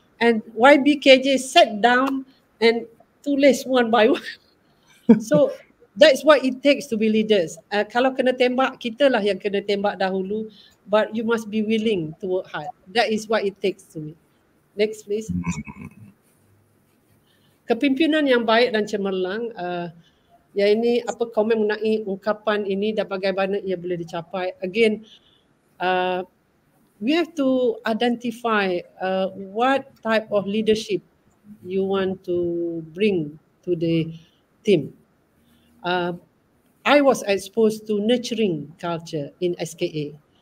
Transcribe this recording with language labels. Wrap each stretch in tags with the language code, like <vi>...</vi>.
<en>And YBKJ sat down and</en> <ms>tulis</ms> <en>one by one. So that's what it takes to be leaders.</en> <ms>Kalau kena tembak, kitalah yang kena tembak dahulu.</ms> <en>but you must be willing to work hard. That is what it takes to me. Next, please.</en> <ms>Kepimpinan yang baik dan cemerlang, ya ini apa komen mengenai ungkapan ini dan bagaimana ia boleh dicapai.</ms> <en>Again, we have to identify what type of leadership you want to bring to the team. I was exposed to nurturing culture in SKA.</en>